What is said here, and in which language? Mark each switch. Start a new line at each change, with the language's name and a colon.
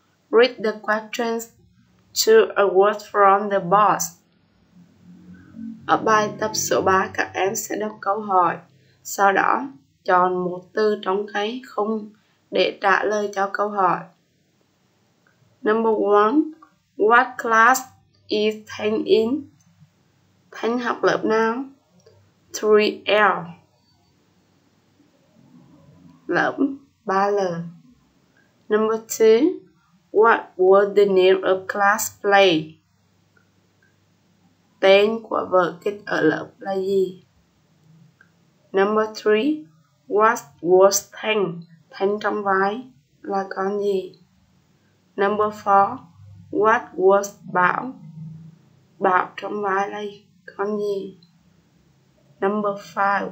English: Read the questions to a word from the boss.
Vietnamese: Ở bài tập số 3, các em sẽ đọc câu hỏi. Sau đó, chọn một từ trong cái khung để trả lời cho câu hỏi.
English: Number one, what class is Thanh in?
Vietnamese: Thanh học lớp nào? 3L. Lớp 3L.
English: Number two, what was the name of class play?
Vietnamese: Tên của vở kịch ở lớp là gì?
English: Number 3. What was Thanh?
Vietnamese: Thanh trong vai là con gì?
English: Number 4. What was Bảo?
Vietnamese: Bảo trong vai là con gì?
English: Number 5.